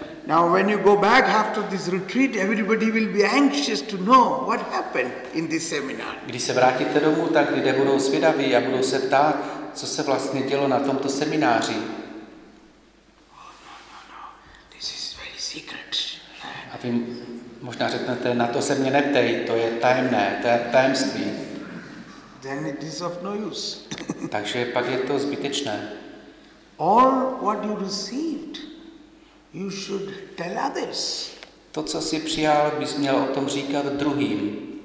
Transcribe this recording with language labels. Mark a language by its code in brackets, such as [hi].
[en] Now when you go back after this retreat, everybody will be anxious to know what happened in this seminar. [cs] Když se vrátíte domů, tak lidé budou zvědaví a budou se ptát, co se vlastně dělo na tomto semináři. [en] This is very secret. [cs] A vy možná řeknete, na to se mě neptej, to je tajemné, to je tajemství. [en] Then it is of no use. [cs] Takže pak je to zbytečné. [en] All what you received, you should tell others. [cs] To, co jsi přijal, bys měl o tom říkat druhým.